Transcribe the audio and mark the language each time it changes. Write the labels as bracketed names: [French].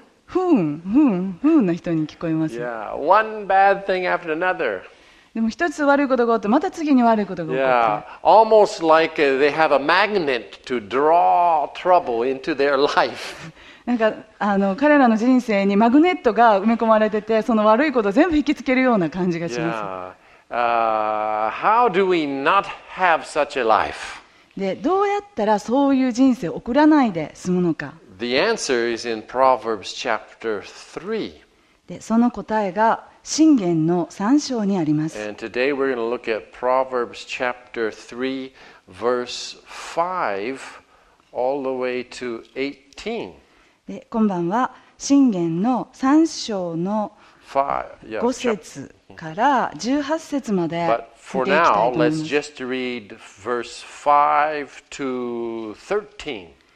[Japanese] 不運な人に聞こえます。 [English] Yeah, one bad thing after another. [Japanese] でも一つ悪いことが起こって、また次に悪いことが起こって。 [English] Yeah, almost like they have a magnet to draw trouble into their life. [Japanese] なんか彼らの人生にマグネットが埋め込まれてて、その悪いことを全部引きつけるような感じがします。 [English] Yeah. How do we not have such a life? [Japanese] で、どうやったらそういう人生を送らないで済むのか。 [English] The answer is in Proverbs chapter 3. [Japanese] で、その答えが箴言の3章にあります。 [English] And today we're going to look at Proverbs chapter 3, verse 5, all the way to 18. [Japanese] で、今晩は箴言の3章の5節から18節まで見ていきたいと思います。 [English] But for now, let's just read verse 5 to 13.